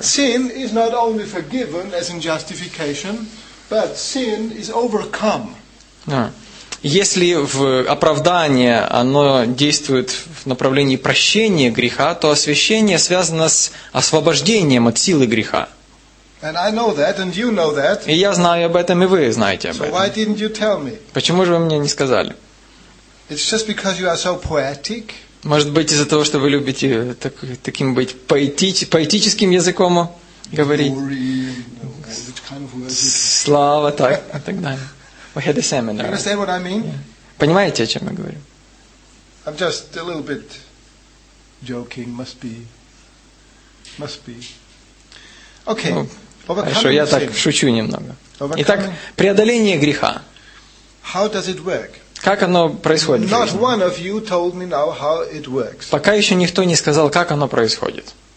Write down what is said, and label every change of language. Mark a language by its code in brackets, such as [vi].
[en] Sin is not only forgiven as in justification, but sin is overcome. [ru] Если в оправдание оно действует в направлении прощения греха, то освящение связано с освобождением от силы греха. [en] And I know that, and you know that. [ru] И я знаю об этом, и вы знаете об so этом. [en] Why didn't you tell me? [ru] Почему же вы мне не сказали? [en] It's just because you are so poetic. [ru] Может быть, из-за того, что вы любите таким быть поэтическим языком говорить. [en] Glory, which kind of words [ru] слава, так, и так далее. [en] We had a seminar. You understand what I mean? Yeah. [ru] Понимаете, о чем я говорю? [en] I'm just a little bit joking. Must be. Okay. [ru] Хорошо, я так шучу немного. Итак, преодоление греха. [en] How does it work? [ru] Как оно происходит? [en] Not one of you told me now how it works. [ru] Пока еще никто не сказал, как оно происходит.